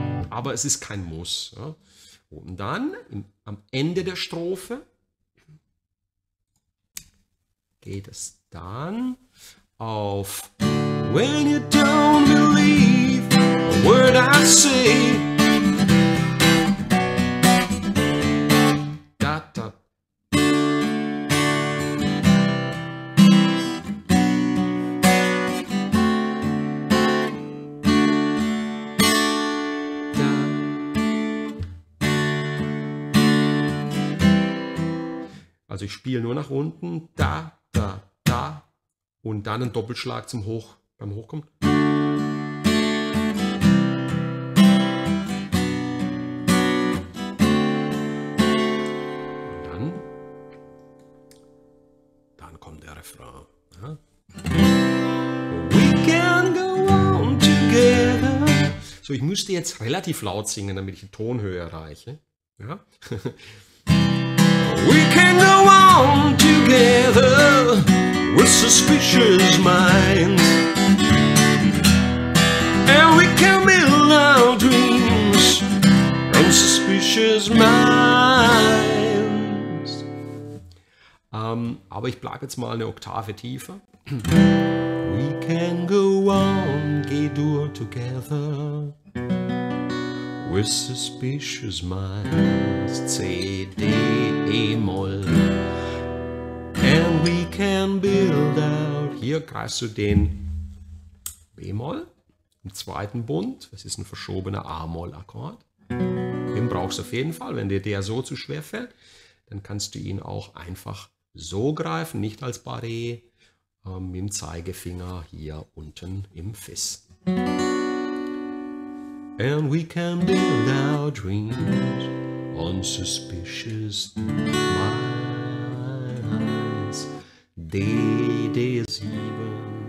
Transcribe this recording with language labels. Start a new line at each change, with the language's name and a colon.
German: Aber es ist kein Muss. Und dann am Ende der Strophe geht es dann auf.
English: When you don't believe a word I say. Da, da. Da.
German: Also ich spiele nur nach unten. Da, da, da. Und dann einen Doppelschlag zum Hoch. Beim Hochkommen. Und dann kommt der Refrain. Ja.
English: We can go on together.
German: So, ich müsste jetzt relativ laut singen, damit ich die Tonhöhe erreiche. Ja.
English: We can go on together with suspicious minds. And we can build our dreams on suspicious minds.
German: Aber ich bleibe jetzt mal eine Oktave tiefer.
English: We can go on, G-Dur together, with suspicious minds, C, D, E-Moll. And we can build out.
German: Hier greifst du den B-Moll im zweiten Bund. Das ist ein verschobener A-Moll-Akkord. Den brauchst du auf jeden Fall. Wenn dir der so zu schwer fällt, dann kannst du ihn auch einfach so greifen, nicht als Barré, mit dem Zeigefinger hier unten im Fis.
English: And we can build our dreams on suspicious minds. D, D7.